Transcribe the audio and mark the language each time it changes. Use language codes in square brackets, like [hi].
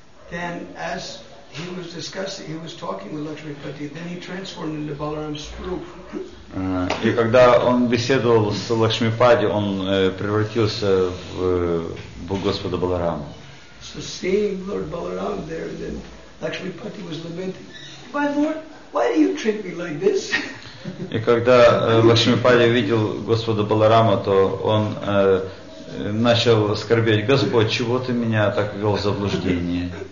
[en] Then as he was talking with Lakshmipati, then he transformed into Balaram's roop. [ru] И когда он беседовал с Лакшмипати, он превратился в Господа Баларама. [en] So seeing Lord Balaram there, then Lakshmipati was lamenting, "My Lord, why do you treat me like this?" [ru] И когда Лакшмипати увидел Господа Баларама, то он начал скорбеть: Господь, чего ты меня так ввел в заблуждение?